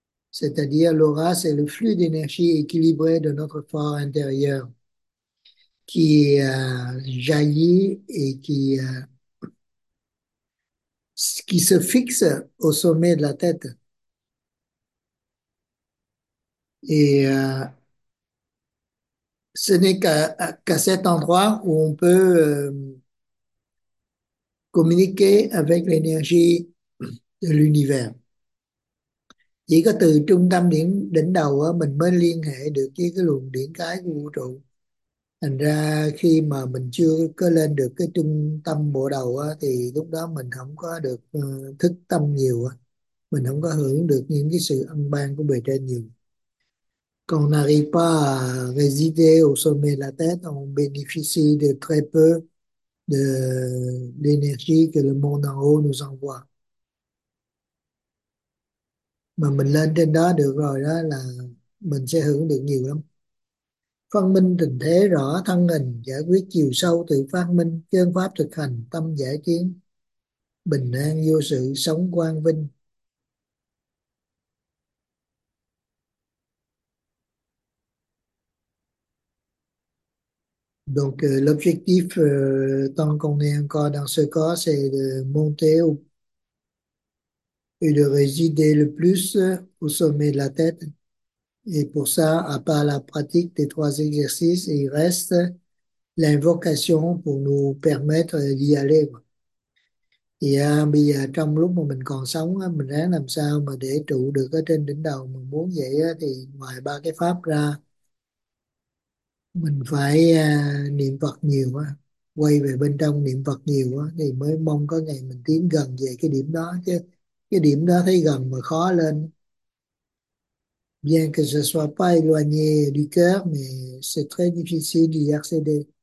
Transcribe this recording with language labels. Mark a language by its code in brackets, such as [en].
[fr] C'est-à-dire, l'aura, c'est le flux d'énergie équilibré de notre fort intérieur qui jaillit et qui se fixe au sommet de la tête. Et ce n'est qu'à cet endroit où on peut communiquer avec l'énergie de l'univers. [vi] Chỉ có từ trung tâm điểm đỉnh đầu mình mới liên hệ được cái luồng điển cái của vũ trụ. Thành ra khi mà mình chưa có lên được cái trung tâm bộ đầu thì lúc đó mình không có được thức tâm nhiều, mình không có hưởng được những cái sự ân ban của bề trên nhiều. [fr] Quand on n'arrive pas à résider au sommet de la tête, on bénéficie de très peu de l'énergie que le monde en haut nous envoie. [vi] Mà mình lên trên đó được rồi đó là mình sẽ hưởng được nhiều lắm. Phân minh tình thế rõ thân hình, giải quyết chiều sâu tự phát minh, chân pháp thực hành, tâm giải tiến, bình an vô sự sống quang vinh. [fr] Donc, l'objectif, tant qu'on est encore dans ce corps, c'est de monter et de résider le plus au sommet de la tête. Et pour ça, à part la pratique des trois exercices, il reste l'invocation pour nous permettre d'y aller. [vi] Et bây giờ, trong lúc mà mình còn sống, mình ráng làm sao mà để trụ được ở trên đỉnh đầu. Mình muốn vậy thì ngoài ba cái pháp ra, mình phải niệm Phật nhiều á, quay về bên trong niệm Phật nhiều á thì mới mong có ngày mình tiến gần về cái điểm đó, chứ cái điểm đó thấy gần mà khó lên. [fr] Bien que ce soit pas éloigné du cœur, mais c'est très difficile d'y accéder.